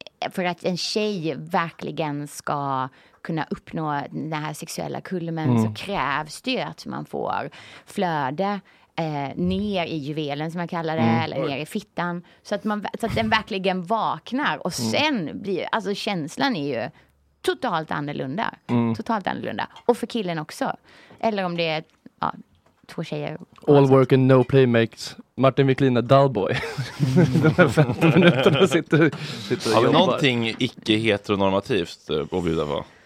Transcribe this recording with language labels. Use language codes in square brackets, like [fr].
[sv] för att en tjej verkligen ska kunna uppnå den här sexuella kulmen så krävs det att man får flöde ner i juvelen, som man kallar det, eller ner i fittan, så att den verkligen vaknar och sen blir, alltså, känslan är ju totalt annorlunda. Totalt annorlunda, och för killen också, eller om det är två tjejer. [en] All work and no play makes Martin Wiklina Dullboy. [sv] Den här 15 minuterna sitter och jobbar. Har du någonting icke-heteronormativt att bjuda på?